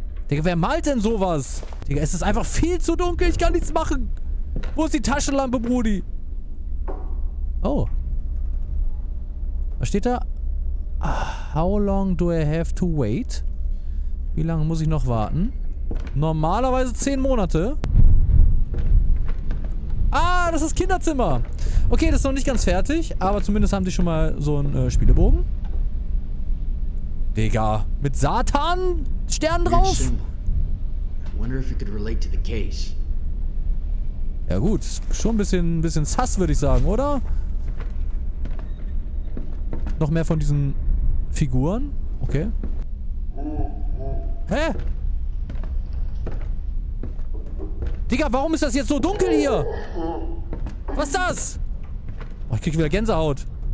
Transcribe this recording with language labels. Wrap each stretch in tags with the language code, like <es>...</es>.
<de>Digga, wer malt denn sowas? Digga, es ist einfach viel zu dunkel, ich kann nichts machen! Wo ist die Taschenlampe, Brudi? Oh. Was steht da?</de> <en>How long do I have to wait?</en> <de>Wie lange muss ich noch warten? Normalerweise 10 Monate. Ah, das ist Kinderzimmer. Okay, das ist noch nicht ganz fertig, aber zumindest haben die schon mal so einen Spielebogen. Digga, mit Satan Stern drauf?</de> <en>I wonder if it could relate to the case.</en> <de>Ja gut, schon ein bisschen sus, würde ich sagen, oder? Noch mehr von diesen Figuren? Okay. Hä? Digga, warum ist das jetzt so dunkel hier? Was ist das? Oh, ich krieg wieder Gänsehaut.</de>